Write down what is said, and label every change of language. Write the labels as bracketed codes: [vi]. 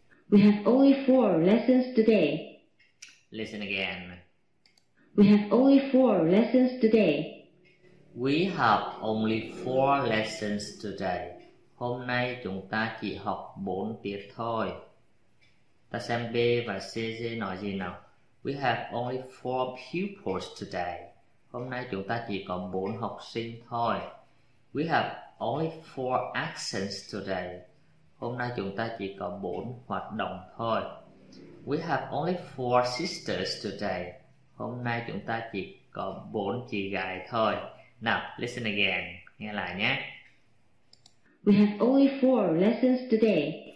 [en] We have only 4 lessons today. Listen again. We have only 4 lessons today. We have only 4 lessons today. [vi] Hôm nay chúng ta chỉ học 4 tiết thôi. Ta xem B và C nói gì nào. [en] We have only 4 pupils today. [vi] Hôm nay chúng ta chỉ có 4 học sinh thôi. [en] We have only 4 actions today. [vi] Hôm nay chúng ta chỉ có 4 hoạt động thôi. [en] We have only 4 sisters today. [vi] Hôm nay chúng ta chỉ có 4 chị gái thôi. [en] Now, listen again. [vi] Nghe lại nhé. [en] We have only 4 lessons today.